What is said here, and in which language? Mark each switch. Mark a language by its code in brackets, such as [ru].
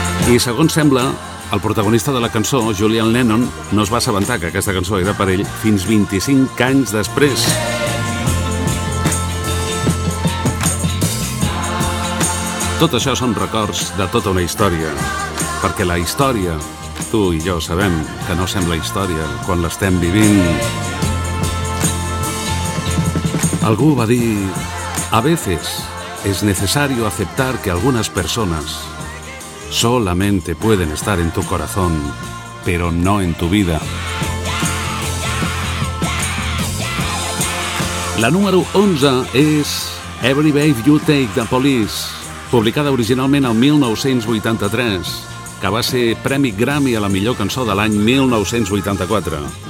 [ca] I segons sembla, el protagonista de la cançó, Julian Lennon, no es va assabentar que aquesta cançó era per ell fins 25 anys després. Tot això són records de tota una història, perquè la història, tu i jo sabem que no sembla història quan l'estem vivint. [es] Algú va dir: a veces es necesario aceptar que algunas personas solamente pueden estar en tu corazón, pero no en tu vida. [ca] La número 11 és Every Babe You Take, de Police, publicada originalment el 1983, que va ser Premi Grammy a la millor cançó de l'any 1984.